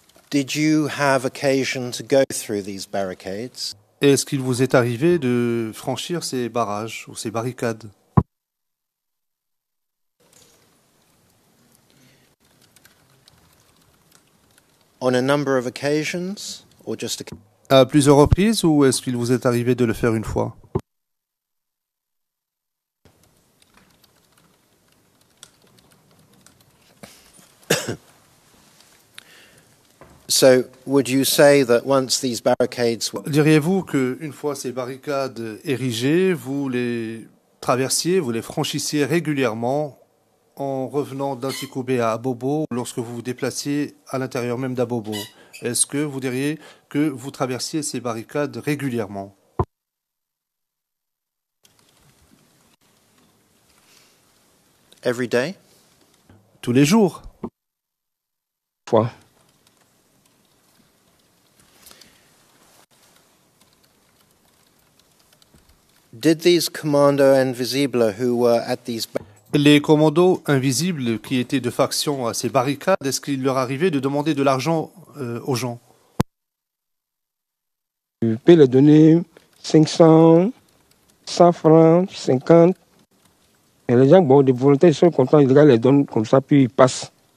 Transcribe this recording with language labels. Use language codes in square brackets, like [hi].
[en] Did you have occasion to go through these barricades? [fr] Est-ce qu'il vous est arrivé de franchir ces barrages ou ces barricades? [en] On a number of occasions or just [fr] à plusieurs reprises ou est-ce qu'il vous est arrivé de le faire une fois? [en] So, would you say that once these barricades were... [fr] Diriez-vous que une fois ces barricades érigées, vous les traversiez, vous les franchissiez régulièrement en revenant d'Antikoubé à Abobo, lorsque vous vous déplaciez à l'intérieur même d'Abobo? Est-ce que vous diriez que vous traversiez ces barricades régulièrement? [en] Every day? [fr] Tous les jours. Fois. [en] Did these commando invisible who were at these [fr] Les commandos invisibles qui étaient de faction à ces barricades, est-ce qu'il leur arrivait de demander de l'argent aux gens? Je peux leur donner 500, 100 francs, 50. Et les gens, bon, des volontaires, ils sont contents, les gars les donnent comme ça, puis ils passent.